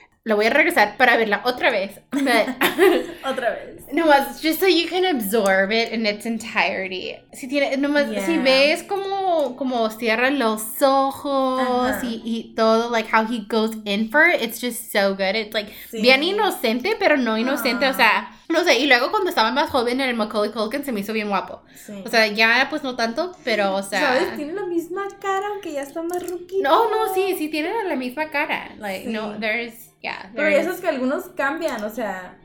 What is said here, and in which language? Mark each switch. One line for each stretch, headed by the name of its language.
Spanish: Lo voy a regresar para verla otra vez.
English: But
Spanish: otra vez.
English: Nomás, just so you can absorb it in its entirety.
Spanish: Si tiene, nomás, yeah. si ves como cierra los ojos uh-huh. y todo,
English: like how he goes in for it, it's just so good. It's like, sí.
Spanish: bien inocente, pero no inocente, uh-huh. o sea, no sé, y luego cuando estaba más joven en el Macaulay Culkin se me hizo bien guapo. Sí. O sea, ya pues no tanto, pero o sea. ¿Sabes? Tiene la misma cara, aunque ya está más ruquito. No, no, sí, sí tiene la misma cara.
English: Like, sí. no, there's, yeah.
Spanish: Pero eso es que algunos cambian, o sea.